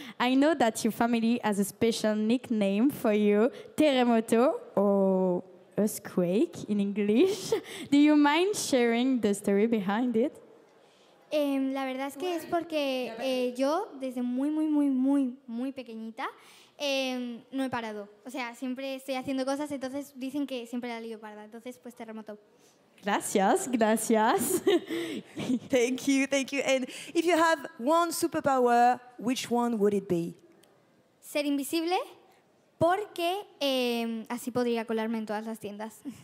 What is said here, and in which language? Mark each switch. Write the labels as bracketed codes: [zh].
[en] I know that your family has a special nickname for you, Terremoto, or earthquake in English. Do you mind sharing the story behind it? [es] La verdad es que es porque yo, desde muy, muy, muy, muy, muy pequeñita, no he parado. O sea, siempre estoy haciendo cosas, entonces dicen que siempre la lío parda. Entonces, pues, terremoto. Gracias, gracias. [en] Thank you, thank you. And if you have one superpower, which one would it be? [es] Ser invisible, porque así podría colarme en todas las tiendas.